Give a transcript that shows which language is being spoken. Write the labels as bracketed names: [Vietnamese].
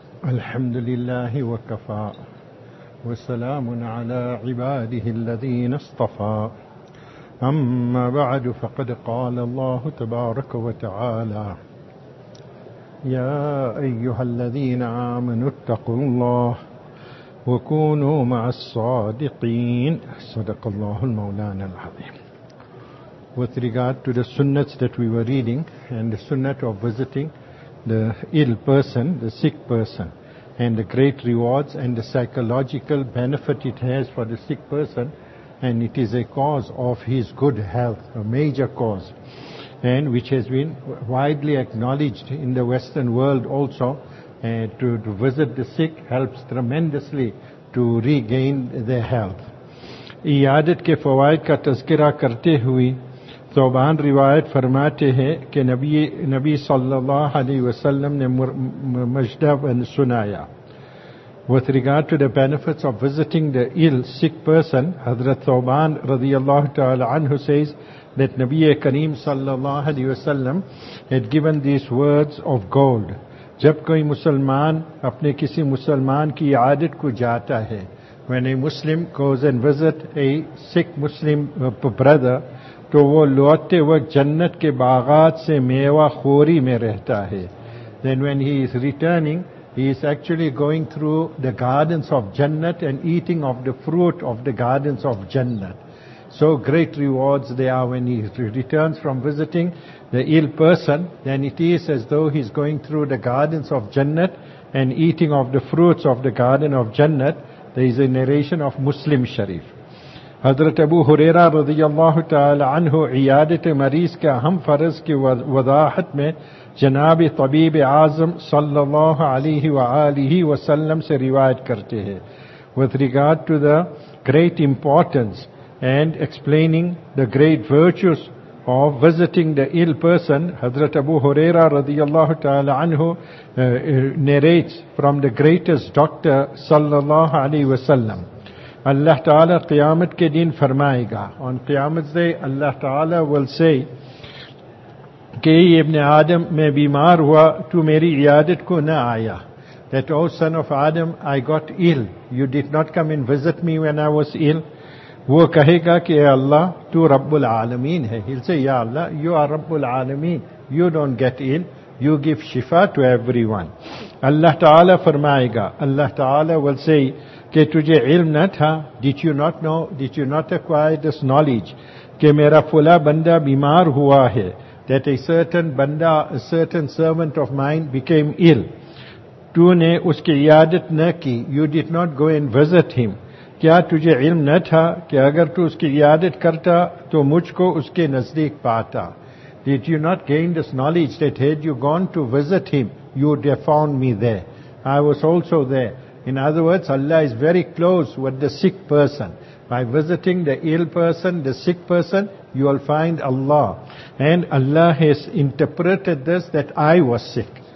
[Arabic] الحمد لله وكفى وسلام على عباده الذين اصطفى، أما بعد فقد قال الله تبارك وتعالى: يا أيها الذين آمنوا اتقوا الله وكونوا مع الصادقين. صدق الله المولانا العظيم. [English] With regard to the sunnahs that we were reading and the sunnah of visiting the ill person, the sick person, and the great rewards and the psychological benefit it has for the sick person, and it is a cause of his good health, a major cause, and which has been widely acknowledged in the Western world also, to visit the sick helps tremendously to regain their health. [Urdu] عیادت کے فوائد کا تذکرہ کرتے ہوئے ثوبان روایت فرماتے ہیں کہ نبی صلی اللہ علیہ وسلم نے مجدہ سنایا. [English] With regard to the benefits of visiting the ill, sick person, حضرت ثوبان رضی اللہ تعالی عنہ says that نبی کریم صلی اللہ علیہ وسلم had given these words of gold. [Urdu] جب کوئی مسلمان اپنے کسی مسلمان کی عادت کو جاتا ہے, [English] when a Muslim goes and visit a sick Muslim brother, [Urdu] تو وہ لوٹے وقت جنت کے باغات سے میوہ خوری میں رہتا ہے. [English] Then when he is returning, he is actually going through the gardens of Jannat and eating of the fruit of the gardens of Jannat. So great rewards they are when he returns from visiting the ill person, then it is as though he is going through the gardens of Jannat and eating of the fruits of the garden of Jannat. There is a narration of Muslim Sharif. [Urdu] حضرت ابو ہریرہ رضی اللہ تعالی عنہ عیادت مریض کا اہم فرض کی وضاحت میں جناب طبیب اعظم صلی اللہ علیہ وآلہ وسلم سے روایت کرتے ہیں. [English] With regard to the great importance and explaining the great virtues of visiting the ill person, حضرت ابو ہریرہ رضی اللہ تعالی عنہ narrates from the greatest doctor صلی اللہ علیہ وسلم. [Urdu] Allah Ta'ala قیامت کے دن فرمائے گا, [English] on قیامت day Allah Ta'ala will say [Urdu] کہ اے ابن آدم میں بیمار ہوا تو میری عیادت کو نہ آیا. [English] That O son of Adam, I got ill, you did not come and visit me when I was ill. [Urdu] وہ کہے گا کہ اے اللہ تو رب العالمین ہے. [English] He'll say, Ya Allah, you are رب العالمین, you don't get ill, you give shifa to everyone. [Urdu] Allah Ta'ala فرمائے گا, [English] Allah Ta'ala will say [Urdu] کہ تجھے علم نہ تھا, [English] did you not know, did you not acquire this knowledge, [Urdu] کہ میرا فلا بندہ بیمار ہوا ہے, [English] that a certain [Urdu] بندہ, [English] a certain servant of mine became ill, [Urdu] تو نے اس کی عیادت نہ کی, [English] you did not go and visit him, [Urdu] کیا تجھے علم نہ تھا کہ اگر تو اس کی عیادت کرتا تو مجھ کو اس کے نزدیک پاتا. [English] Did you not gain this knowledge that had you gone to visit him, you would have found me there, I was also there. In other words, Allah is very close with the sick person. By visiting the ill person, the sick person, you will find Allah. And Allah has interpreted this that I was sick.